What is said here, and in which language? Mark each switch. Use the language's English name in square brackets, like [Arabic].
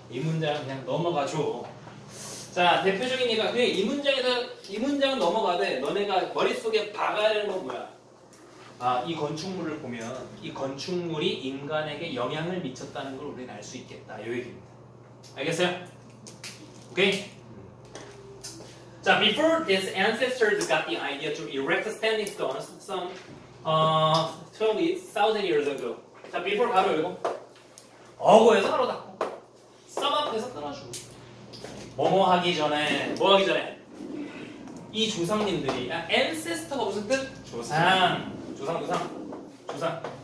[Korean] 이 문장 그냥 넘어가죠. 자, 대표적인 얘가 그냥 이 문장에서 이 문장은 넘어가되 너네가 머릿속에 박아야 되는 건 뭐야? 아, 이 건축물을 보면 이 건축물이 인간에게 영향을 미쳤다는 걸 우리는 알 수 있겠다. 이 얘기입니다. 알겠어요? 오케이? [English] 자, before his ancestors got the idea to erect standing stones some 12,000 years ago. [Korean] 자, before 바로 이거. 어거에서 바로 닫고. 썸 앞에서 끊어주고. 뭐뭐 하기 전에, 뭐 하기 전에. 이 조상님들이, 아, ancestor가 무슨 뜻? 조상. 조상.